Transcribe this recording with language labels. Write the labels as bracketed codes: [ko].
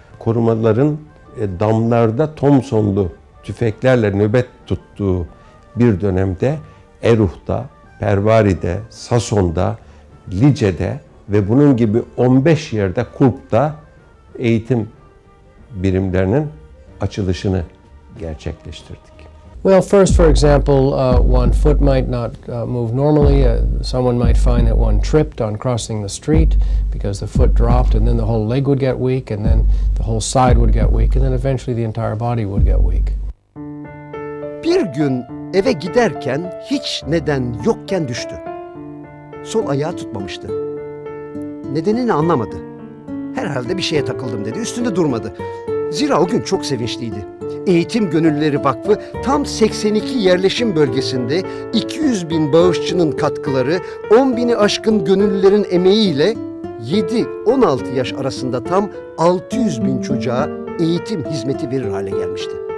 [tr] Korumaların damlarda Thompson'lu tüfeklerle nöbet tuttuğu bir dönemde Eruh'ta, Pervari'de, Sason'da, Lice'de ve bunun gibi 15 yerde Kurp'ta eğitim birimlerinin açılışını gerçekleştirdik. [en] Well, first, for example, one foot might not move normally. Someone might find that one tripped on crossing the street because the foot dropped, and then the whole leg would get weak, and then the whole side would get weak, and then eventually the entire body would get weak. [tr] Bir gün eve giderken hiç neden yokken düştü. Sol ayağı tutmamıştı. Nedenini anlamadı. Herhalde bir şeye takıldım dedi. Üstünde durmadı. Zira o gün çok sevinçliydi. Eğitim Gönülleri Vakfı tam 82 yerleşim bölgesinde 200 bin bağışçının katkıları, 10 bini aşkın gönüllülerin emeğiyle 7-16 yaş arasında tam 600 bin çocuğa eğitim hizmeti verir hale gelmişti.